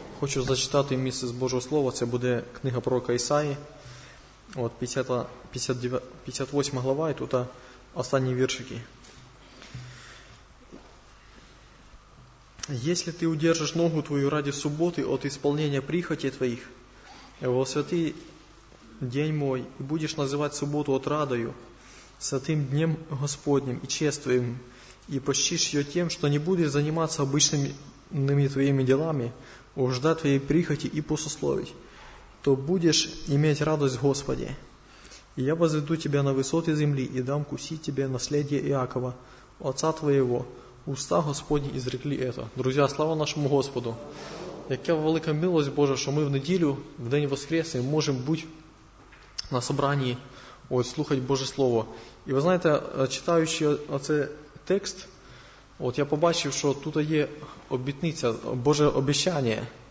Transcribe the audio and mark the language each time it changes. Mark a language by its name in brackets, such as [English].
[Ukrainian] Хочу зачитати місце з Божого Слова. Це буде книга пророка Ісаї. От 58 глава, і тут останні віршики. [Russian] «Если ты удержишь ногу твою ради субботы от исполнения прихоти твоих, во святый день мой, и будешь называть субботу отрадою, святым днем Господним и чествуем, и почтишь ее тем, что не будешь заниматься обычными твоими делами, угождать твоей прихоти и пустословить, то будешь иметь радость в Господе. И я возведу тебя на высоты земли и дам кусить тебе наследие Иакова, отца твоего. Уста Господни изрекли это». Друзья, слава нашему Господу! [Ukrainian] Яка велика милость Божа, [Russian] что мы в неделю, в день воскресный, можем быть на собрании, слухать Божье Слово. И вы знаете, [Ukrainian] читаючи оце текст, я побачив, що тут є обітниця, Боже обіцяння.